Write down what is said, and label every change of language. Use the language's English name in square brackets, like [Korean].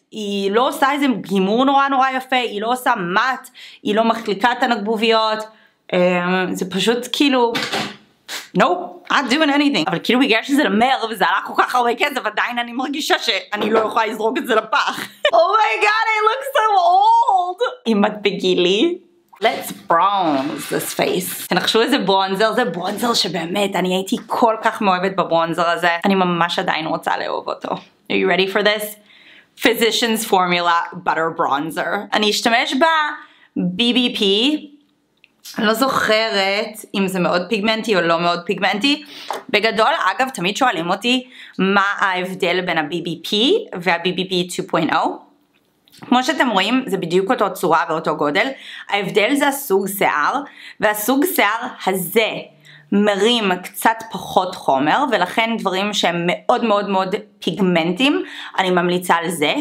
[Hebrew] היא לא עושה איזה גימור נורא נורא יפה, היא לא עושה מט, היא לא מחליקה את הנגבוביות, זה פשוט כאילו... [English] No, I'm doing anything. [Hebrew] אבל כאילו בגלל שזה למר וזה עלה כל כך הרבה כסף, עדיין אני מרגישה שאני לא יכולה לזרוק את זה לפח. [English] Oh my god, I look so old! [Hebrew] אם את בגילי, [English] let's bronze this face. [Hebrew] תנחשו איזה ברונזר, זה ברונזר שבאמת אני הייתי כל כך מאוהבת בברונזר הזה. אני ממש עדיין רוצה לאהוב אותו. [English] Are you ready for this? Physician's formula butter bronzer. [Hebrew] אני אשתמש ב-BBP. אני לא זוכרת אם זה מאוד פיגמנטי או לא מאוד פיגמנטי. בגדול, אגב, תמיד שואלים אותי מה ההבדל בין ה-BBP וה-BBP 2.0. כמו שאתם רואים, זה בדיוק אותו צורה ואותו גודל. ההבדל זה הסוג שיער, והסוג שיער הזה מרים קצת פחות חומר, ולכן דברים שהם מאוד מאוד מאוד פיגמנטים, אני ממליצה על זה.